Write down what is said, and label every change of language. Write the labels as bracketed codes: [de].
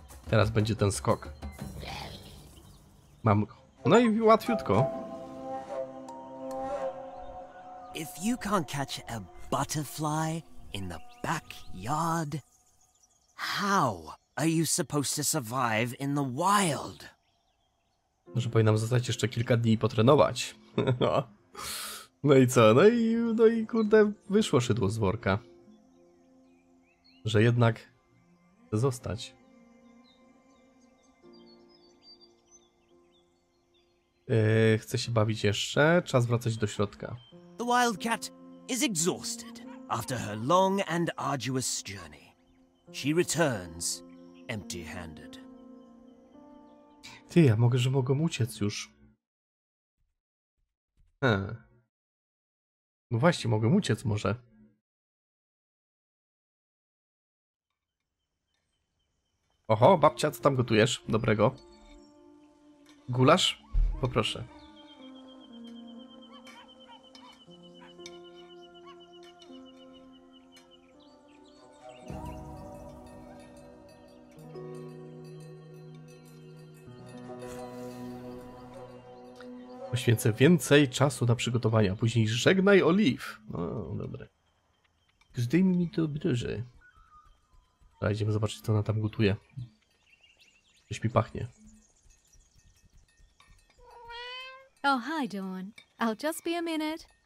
[pl] Teraz będzie ten skok. Mam go. No i łatwiutko. [en] If you can't catch a butterfly in the backyard, how are you supposed to survive in the wild? [pl] Może powinnam zostać jeszcze kilka dni i potrenować. No i co? No i kurde, wyszło szydło z worka. Że jednak chcę zostać. Chcę się bawić jeszcze. Czas wracać do środka. [en] The wildcat is exhausted after her long and arduous journey. She returns empty-handed. [pl] Ty, ja mogę, że mogę uciec już. No właśnie, mogę uciec może. Oho, babcia, co tam gotujesz? Dobrego. Gulasz? Poproszę. Poświęcę więcej czasu na przygotowania. Później żegnaj, Olive. No, dobre. Zdejmij mi to bryży. Dobra, idziemy zobaczyć, co ona tam gotuje. Coś mi pachnie. [en] Oh, hi, Dawn. I'll just be a minute.